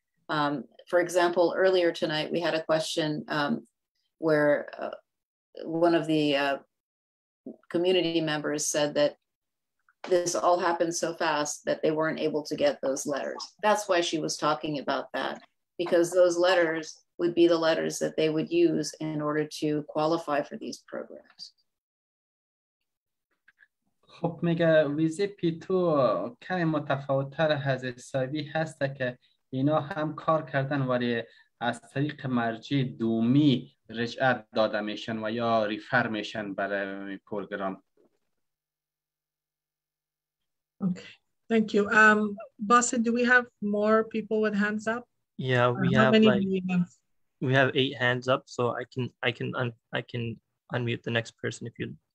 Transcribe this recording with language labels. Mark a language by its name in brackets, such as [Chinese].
[English] For example, earlier tonight, we had a question where one of the community members said that this all happened so fast that they weren't able to get those letters. That's why she was talking about that, because those letters would be the letters that they would use in order to qualify for these programs. [Persian] خب میگه ویزه P2 کمی متفاوت‌تر از SIV هست که اینا هم کار کردن ولی از طریق مرجع دومی رجعت داده میشن و یا ریفر میشن برای پروگرام. [English] Okay, thank you. Basit, do we have more people with hands up? Yeah, we have like We have 8 hands up, so I can unmute the next person if you.